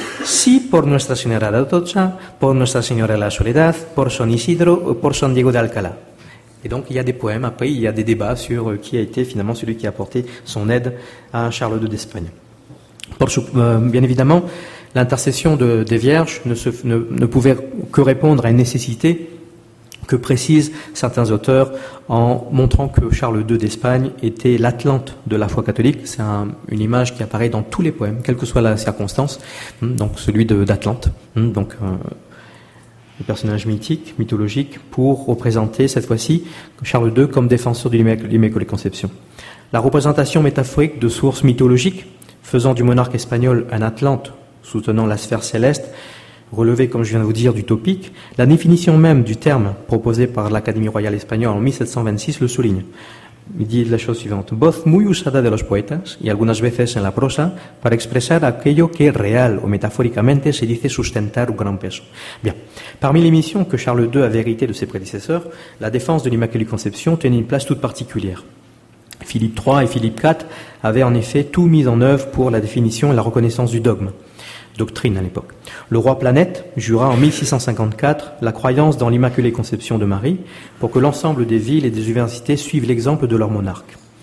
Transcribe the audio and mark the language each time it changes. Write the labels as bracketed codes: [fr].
[es] Si por Nuestra Señora de Atocha, por Nuestra Señora de la Soledad, por San Isidro o por San Diego de Alcalá. [fr] Et donc il y a des poèmes, après il y a des débats sur qui a été finalement celui qui a apporté son aide à Charles II d'Espagne. Bien évidemment, l'intercession des vierges ne pouvait que répondre à une nécessité que précisent certains auteurs en montrant que Charles II d'Espagne était l'Atlante de la foi catholique. C'est une image qui apparaît dans tous les poèmes, quelle que soit la circonstance, donc celui d'Atlante, donc le personnage mythique, mythologique, pour représenter cette fois-ci Charles II comme défenseur de l'Immaculée Conception. La représentation métaphorique de sources mythologiques faisant du monarque espagnol un Atlante soutenant la sphère céleste, relevé, comme je viens de vous dire, du topique, la définition même du terme proposé par l'Académie royale espagnole en 1726 le souligne. Il dit la chose suivante. [es] « Voz muy usada de los poetas, y algunas veces en la prosa, para expresar aquello que real o metafóricamente se dice sustentar un gran peso. » Bien. [fr] Parmi les missions que Charles II avait héritées de ses prédécesseurs, la défense de l'Immaculée Conception tenait une place toute particulière. Philippe III et Philippe IV avaient en effet tout mis en œuvre pour la définition et la reconnaissance du dogme. Doctrine à l'époque. Le roi Planète jura en 1654 la croyance dans l'Immaculée Conception de Marie pour que l'ensemble des villes et des universités suivent l'exemple de leur monarque.